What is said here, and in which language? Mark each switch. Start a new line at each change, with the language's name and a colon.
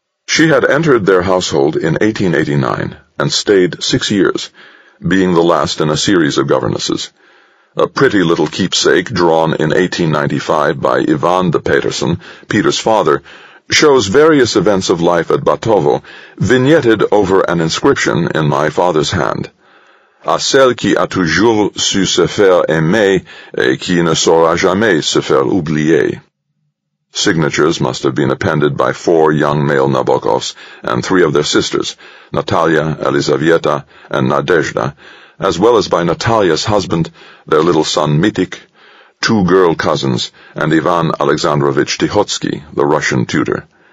English: She had entered their household in 1889 and stayed 6 years, being the last in a series of governesses. A pretty little keepsake drawn in 1895 by Ivan de Peterson, Peter's father, shows various events of life at Batovo, vignetted over an inscription in my father's hand.
French: À celle qui a toujours su se faire aimer et qui ne saura jamais se faire oublier.
English: Signatures must have been appended by four young male Nabokovs and three of their sisters, Natalia, Elizaveta, and Nadezhda, as well as by Natalia's husband, their little son Mitik, two girl cousins, and Ivan Alexandrovich Tihotsky, the Russian tutor.